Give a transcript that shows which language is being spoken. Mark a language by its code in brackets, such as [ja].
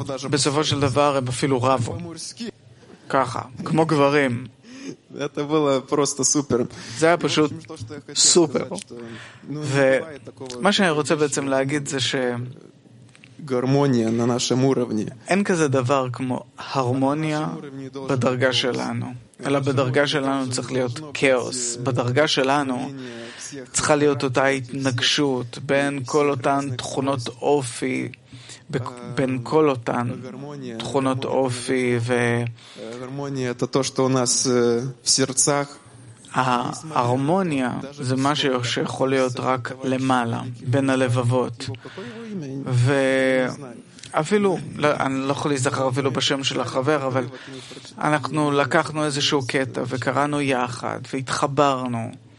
[he] בסופו של דבר הם אפילו רבו ככה, כמו גברים. [ru] Это было просто супер. [he] זה היה פשוט סופר. ומה שאני רוצה בעצם להגיד זה ש [ru] гармония на нашем уровне. [he] אין כזה דבר כמו הרמוניה בדרגה שלנו. אלא בדרגה שלנו צריך להיות כאוס. בדרגה שלנו צריכה להיות אותה התנגשות בין כל אותן תכונות אופי, בין כל אותן תכונות אופי. הרמוניה זה [ru] то, что у нас в сердцах. [he] ההרמוניה זה משהו שיכול להיות רק למעלה, בין הלבבות. ואפילו, אני לא יכול להיזכר אפילו בשם של החבר, אבל אנחנו לקחנו איזשהו קטע וקראנו יחד והתחברנו.